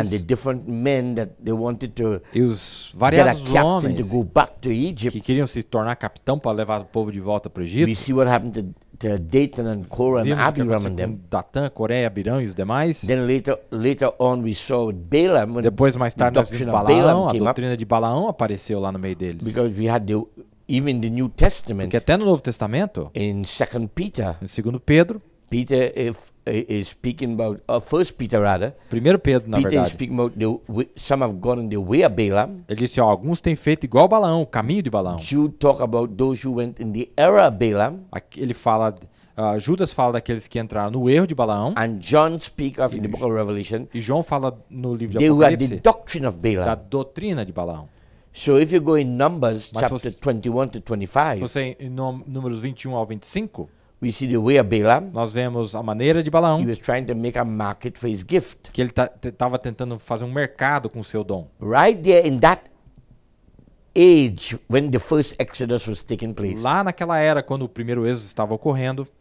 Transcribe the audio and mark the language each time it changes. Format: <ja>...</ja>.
<en>and the different men that they wanted to</en> <pt>e os variados</pt> <en>get a captain</en> <pt>homens</pt> <en>to go back to Egypt,</en> <pt>que queriam se tornar capitão para levar o povo de volta para o Egito.</pt> <en>We see what happened to Dathan and Korah and Abiram and them.</en> <pt>Datan, Coréia, Abirão e os demais.</pt> <en>Then later on we saw Balaam.</en> <pt>Depois mais tarde nós vimos Balaão. A doutrina de Balaão apareceu lá no meio deles.</pt> <en>Because we had the even the New Testament,</en> <pt>porque até no Novo Testamento,</pt> <en>in 2 Peter,</en> <pt>em 2 Pedro,</pt> <en>Peter is speaking about 1 Peter rather.</en> <pt>Primeiro Pedro, na</pt> <en>Peter</en> <pt>verdade.</pt> <en>Peter speaking about some have gone the way of Balaam.</en> <pt>Ele disse, ó, alguns têm feito igual Balaão, o caminho de Balaão.</pt> <en>Jude talk about those who went in the error of Balaam.</en> <pt>Aqui ele fala, Judas fala daqueles que entraram no erro de Balaão.</pt> <en>And John speak of in the book of Revelation.</en> <pt>E João fala no livro de Apocalipse.</pt> <en>The doctrine of Balaam.</en> <pt>Da doutrina de Balaão.</pt> <en>So if you go in Numbers chapter 21 to 25,</en> <pt>você em números 21 ao 25,</pt> <en>we see the way of Balaam.</en> <pt>Nós vemos a maneira de Balaão.</pt> <en>He was trying to make a market for his gift.</en> <pt>Que ele estava tentando fazer um mercado com o seu dom.</pt> <en>Right there in that age when the first Exodus was taking place.</en> <pt>Lá naquela era quando o primeiro êxodo estava ocorrendo.</pt>